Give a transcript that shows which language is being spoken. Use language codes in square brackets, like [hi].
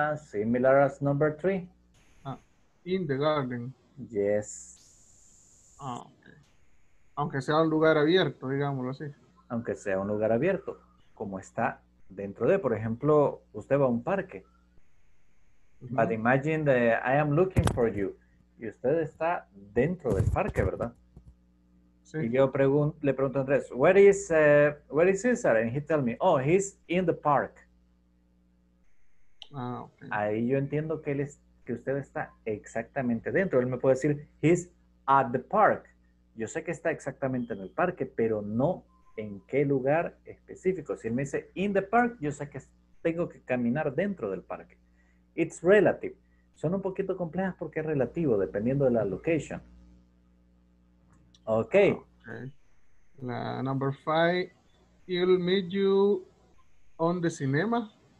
[en] Similar as number three. In the garden. Yes. [es] Okay. Aunque sea un lugar abierto, digámoslo así. Aunque sea un lugar abierto. Como está... dentro de, por ejemplo, usted va a un parque. Uh-huh. [en] But imagine that I am looking for you. [es] Y usted está dentro del parque, ¿verdad? Sí. Y yo le pregunto a Andrés, [en] where is Cesar? And he tell me, oh, he's in the park. Ah, [es] okay. Ahí yo entiendo que usted está exactamente dentro. Él me puede decir, [en] he's at the park. [es] Yo sé que está exactamente en el parque, pero no... ¿en qué lugar específico? Si él me dice in the park, yo sé que tengo que caminar dentro del parque. [en] It's relative. [es] Son un poquito complejas porque es relativo, dependiendo de la location. [en] Okay. La number five, I'll meet you on the cinema.